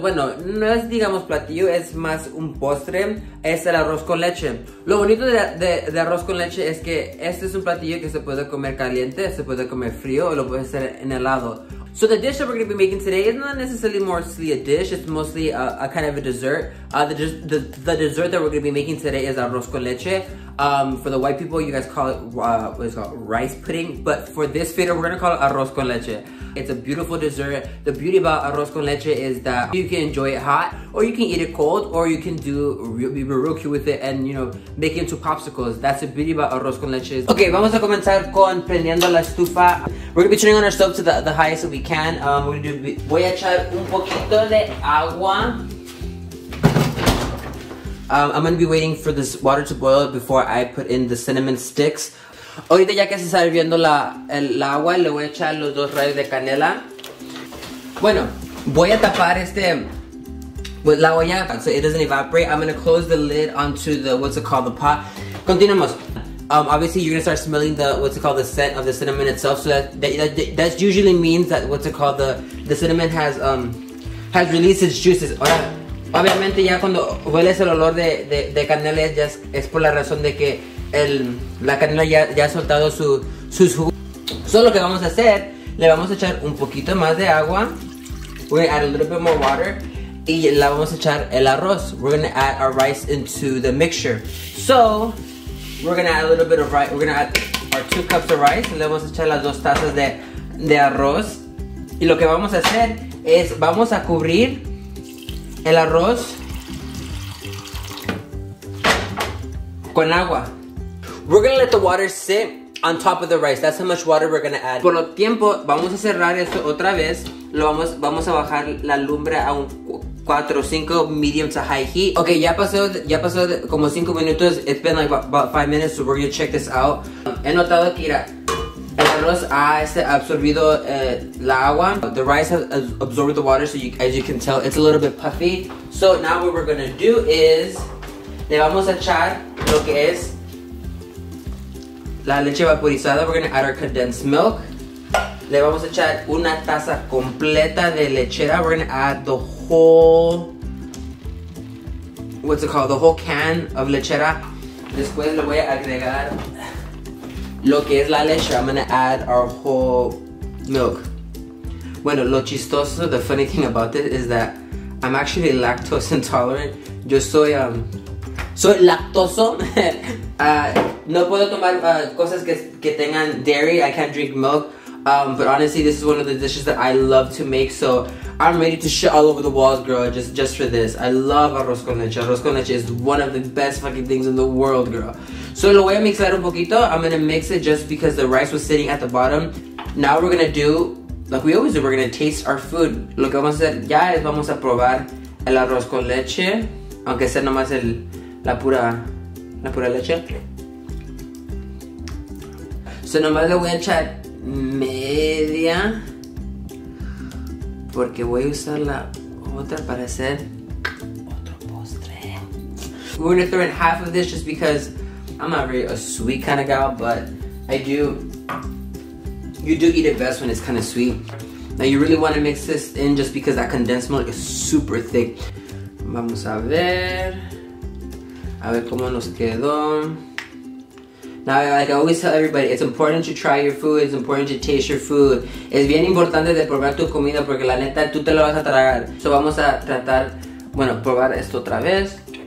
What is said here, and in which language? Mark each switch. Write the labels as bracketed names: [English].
[Spanish] Bueno, no es digamos platillo, es más un postre. Es el arroz con leche. Lo bonito de arroz con leche es que este es un platillo que se puede comer caliente, se puede comer frío o lo puedes hacer en helado. [English] So the dish that we're going to be making today is not necessarily mostly a dish, it's mostly a kind of a dessert. The dessert that we're going to be making today is arroz con leche. For the white people, you guys call it, what is it called, rice pudding. But for this video, we're going to call it arroz con leche. It's a beautiful dessert. The beauty about arroz con leche is that you can enjoy it hot, or you can eat it cold, or you can do real cute with it and, you know, make it into popsicles. That's the beauty about arroz con leche. [Spanish] Okay, vamos a comenzar con prendiendo la estufa. [English] We're going to be turning on our stove to the highest that we can. [Spanish] Voy a echar un poquito de agua. [English] I'm going to be waiting for this water to boil before I put in the cinnamon sticks. [Spanish] Ahorita ya que se está hirviendo el agua, le voy a echar los dos rayos de canela. Bueno, voy a tapar este with la olla [English] so it doesn't evaporate. I'm going to close the lid onto the, what's it called, the pot. [Spanish] Continuamos. [English] Obviously, you're going to start smelling the, what's it called, the scent of the cinnamon itself. So that usually means that, what's it called, the cinnamon has released its juices. [Spanish] Ahora, obviamente, ya cuando hueles el olor de canela, ya es por la razón de que la canela ya ha soltado sus jugos. So lo que vamos a hacer, le vamos a echar un poquito más de agua. [English] We're going to add a little bit more water. [Spanish] Y la vamos a echar el arroz. [English] We're going to add our rice into the mixture. So, we're going to add a little bit of rice. We're going to add our 2 cups of rice. [Spanish] Le vamos a echar las 2 tazas de arroz. Y lo que vamos a hacer es, vamos a cubrir el arroz con agua. [English] We're going to let the water sit on top of the rice. That's how much water we're going to add. [Spanish] Por lo tiempo, vamos a cerrar esto otra vez. Vamos a bajar la lumbre a un 4 o 5, [English] medium to high heat. [Spanish] Okay, ya pasó como 5 minutos. [English] It's been like about 5 minutes, so we're going to check this out. [Spanish] He notado que el arroz ha absorbido la agua. [English] The rice has absorbed the water, so as you can tell, it's a little bit puffy. So now what we're going to do is, [Spanish] le vamos a echar lo que es la leche vaporizada. [English] We're going to add our condensed milk. [Spanish] Le vamos a echar una taza completa de lechera. [English] We're going to add the whole, what's it called, the whole can of lechera. [Spanish] Después le voy a agregar lo que es la leche. [English] I'm going to add our whole milk. [Spanish] Bueno, lo chistoso, [English] the funny thing about this is that I'm actually lactose intolerant. [Spanish] Yo soy lactoso. No puedo tomar cosas que tengan dairy. [English] I can't drink milk. But honestly, this is one of the dishes that I love to make, so I'm ready to shit all over the walls, girl, just for this. I love arroz con leche. Arroz con leche is one of the best fucking things in the world, girl. So [Spanish] lo voy a mixar un poquito. [English] I'm gonna mix it just because the rice was sitting at the bottom. Now we're gonna do, like we always do, we're gonna taste our food. [Spanish] Lo que vamos a hacer ya es vamos a probar el arroz con leche, aunque sea nomás la pura leche. So nomás le voy a echar media. Porque voy a usar la otra para hacer otro postre. [English] We're gonna throw in half of this just because I'm not really a sweet kind of gal, but I do. You do eat it best when it's kind of sweet. Now you really want to mix this in just because that condensed milk is super thick. [Spanish] Vamos a ver. A ver cómo nos quedó. [English] Now, like I always tell everybody, it's important to try your food. It's important to taste your food. [Spanish] Es bien importante de probar tu comida porque la neta, tú te la vas a tragar. So vamos a tratar, bueno, probar esto otra vez.